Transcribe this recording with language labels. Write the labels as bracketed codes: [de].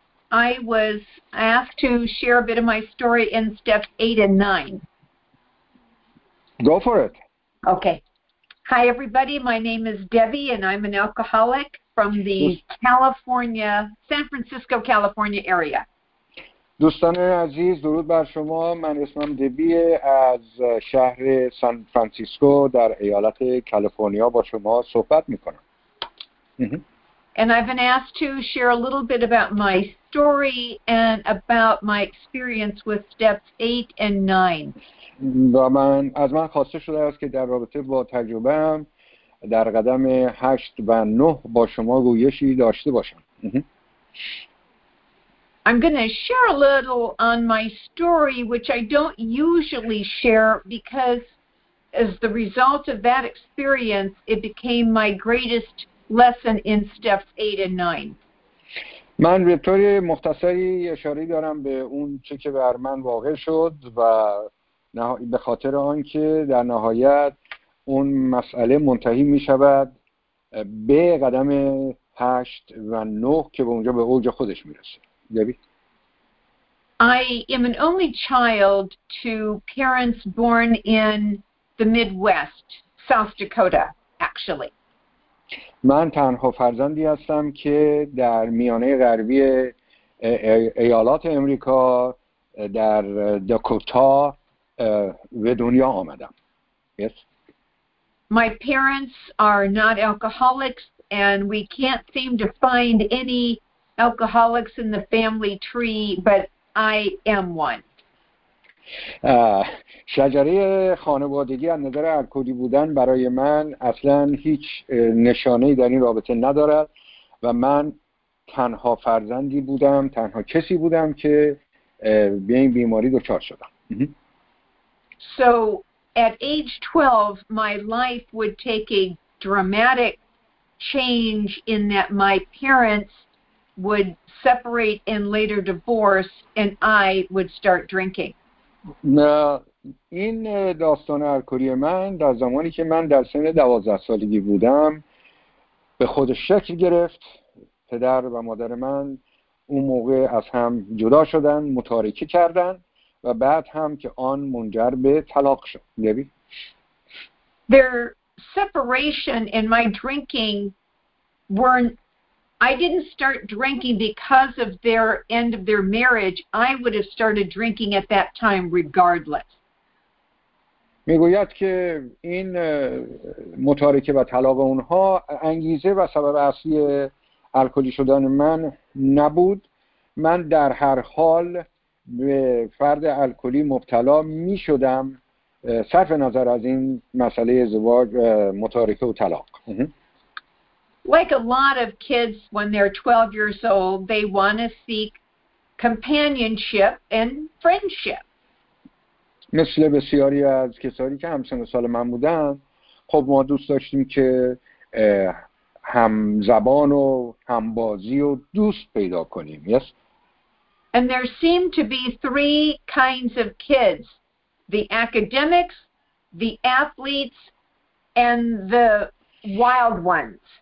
[en] I was asked to share a bit of my story in steps 8 and 9. Go for it. Okay. Hi, everybody. My name is Debbie, and I'm an alcoholic from the California, San Francisco, California area. [fa] دوستان عزیز، درود بر شما. من اسمم دبیه، از شهر سان فرانسیسکو در ایالت کالیفرنیا با شما صحبت میکنم. [en] And I've been asked to share a little bit about my story and about my experience with steps 8 and 9. [fa] من خواسته شده است که در رابطه با تجربه‌ام در قدم 8 و 9 با شما گویشی داشته باشم. [en] I'm going to share a little on my story, which I don't usually share, because as the result of that experience, it became my greatest lesson in steps 8 and 9. [fa] من به طور مختصری اشاره دارم به اون چه که بر من واقع شد و به خاطر آنکه در نهایت اون مسئله منتهی می شود به قدم 8 و 9 که به اونجا به اوج خودش می رسه. [en] I am an only child to parents born in the Midwest, South Dakota, actually. [fa] من تنها فرزندی هستم که در میانه غربی ایالات امریکا در داکوتا به دنیا آمدم. [en] Yes. My parents are not alcoholics, and we can't seem to find any alcoholics in the family tree, but I am one. [fa] شجره خانوادگی از نظر الکلی بودن برای من اصلاً هیچ نشانه‌ای در این رابطه ندارد و من تنها فرزندی بودم، تنها کسی بودم که به این بیماری دچار شدم. [en] So at age 12, my life would take a dramatic change in that my parents would separate and later divorce, and I would start drinking. [fa] این داستان الکلی من در زمانی که من در سن 12 سالگی بودم به خودش شکل گرفت. پدر و مادر من اون موقع از هم جدا شدن، متارکه کردن و بعد هم که آن منجر به طلاق شد. دبی؟ [en] Their separation and my drinking weren't I didn't start drinking because of their end of their marriage. I would have started drinking at that time regardless. [fa] میگوید که این متارکه و طلاق اونها انگیزه و سبب اصلی الکلی شدن من نبود. من در هر حال به فرد الکلی مبتلا میشدم صرف نظر از این مسئله ازدواج، متارکه و طلاق. [en] Like a lot of kids when they're 12 years old, they want to seek companionship and friendship. [fa] مثل بسیاری از کسانی که همسن و سال من بودن، خب ما دوست داشتیم که هم زبان و هم بازی و دوست پیدا کنیم. [en] Yes. And there seem to be three kinds of kids: the academics, the athletes, and the wild ones.